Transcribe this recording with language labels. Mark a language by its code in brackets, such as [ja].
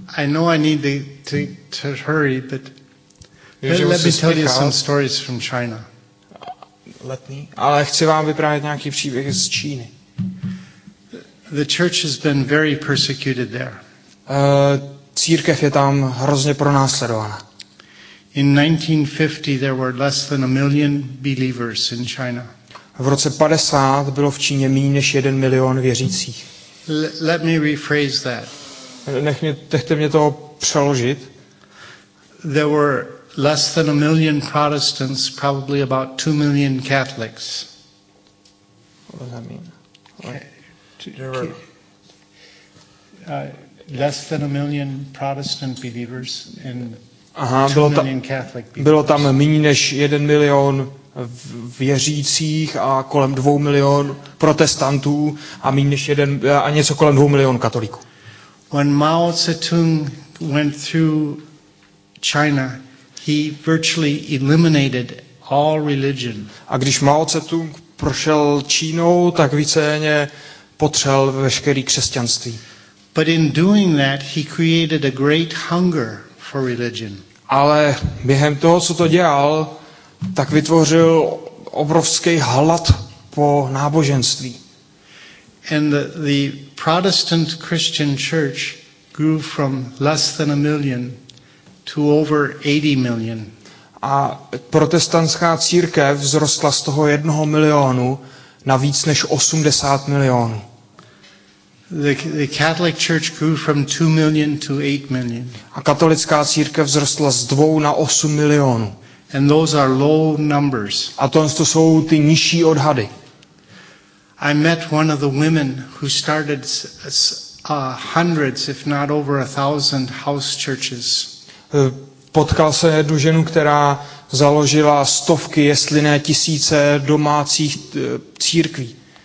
[en] I know I need to hurry, but let me tell you some stories from China. Let me. [cs] Ale chci vám vyprávět nějaký příběh z Číny. [en] The church has been very persecuted there. [cs] Církev je tam hrozně pronásledována. [en] In 1950 there were less than a million believers in China. [cs] V roce 50 bylo v Číně méně než 1 milion věřících. [en] Let me rephrase that. [cs] Nechte mě to přeložit. [en] There were less than a million Protestants, probably about 2 million Catholics. What does that mean? Less than a million Protestant believers and 2 million Catholic believers. [cs] Bylo tam méně než 1 milion věřících a kolem 2 milion protestantů a méně než něco kolem 2 milion katolíků. [en] When Mao Zedong went through China, he virtually eliminated all religion. [cs] A když Mao Zedong prošel Čínou, tak víceméně potřel veškerý křesťanství. [en] But in doing that, he created a great hunger for religion. [cs] Ale během toho, co to dělal, tak vytvořil obrovský hlad po náboženství. [en] And the Protestant Christian Church grew from less than a million to over 80 million. [cs] A protestantská církev vzrostla z toho 1 milionu na víc než 80 milionů. [en] The Catholic Church grew from 2 million to 8 million. [cs] A katolická církev vzrostla z 2 na 8 milionů. [en] And those are low numbers. [cs] A to jsou ty nižší odhady. [en] I met one of the women who started hundreds if not over 1,000 house churches. [cs] Potkal jsem jednu ženu, která založila stovky, jestli ne tisíce domácích církví.